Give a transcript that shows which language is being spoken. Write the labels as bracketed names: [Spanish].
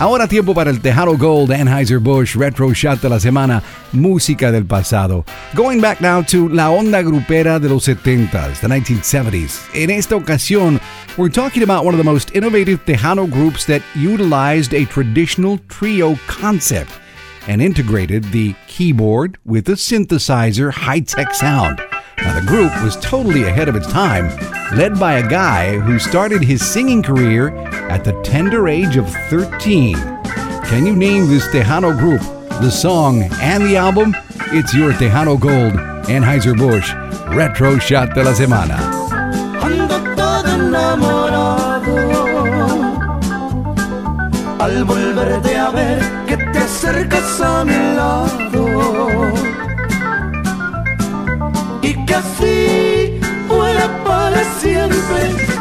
[Spanish] Ahora tiempo para el Tejano Gold Anheuser-Busch Retro Shot de la semana, música del pasado. [English] Going back now to [Spanish] la onda grupera de los 70s, [English] the 1970s. [Spanish] En esta ocasión, [English] we're talking about one of the most innovative Tejano groups that utilized a traditional trio concept and integrated the keyboard with a synthesizer high-tech sound. Now, the group was totally ahead of its time, led by a guy who started his singing career at the tender age of 13. Can you name this Tejano group, the song, and the album? It's your Tejano Gold, Anheuser-Busch, Retro Shot de la Semana. [Spanish] Ando todo enamorado al volverte a ver, que te acercas a mi lado y que así fuera para siempre.